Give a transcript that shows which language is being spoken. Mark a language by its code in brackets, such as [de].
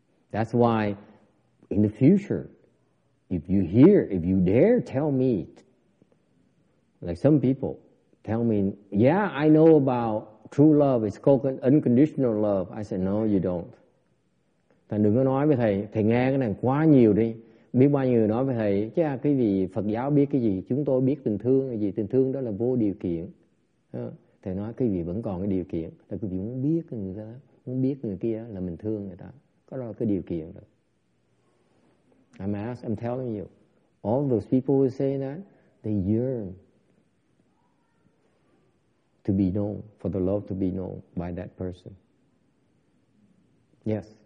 [en] That's why in the future, if you dare tell me, like some people tell me, yeah, I know about true love, it's called unconditional love. I said, no, you don't. [vi] Thành đừng có nói với thầy, thầy nghe cái này quá nhiều đi. Biết bao nhiêu nói với thầy, chứ cái gì Phật giáo biết cái gì, chúng tôi biết tình thương là gì, tình thương đó là vô điều kiện. Thầy nói cái gì vẫn còn cái điều kiện, là cái gì muốn biết người ta, muốn biết người kia là mình thương người ta. Có đó là cái điều kiện rồi. [en] I'm asked, I'm telling you, all those people who say that, they yearn to be known, for the love to be known by that person. Yes.